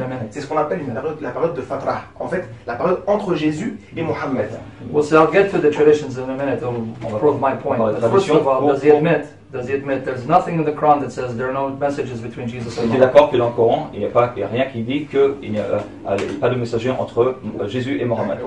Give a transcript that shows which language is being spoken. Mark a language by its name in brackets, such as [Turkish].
[French] C'est ce qu'on appelle la période de Fatra. En fait, la période entre Jésus et Muhammad. [English] Well, so I'll get to the traditions in a minute. I'll prove my point. But first of all, does he admit there's nothing in the Quran that says there are no messages between Jesus and Muhammad? [French] Il est d'accord que dans le Coran, il n'y a rien qui dit qu'il n'y a pas de messager entre Jésus et Mohammed.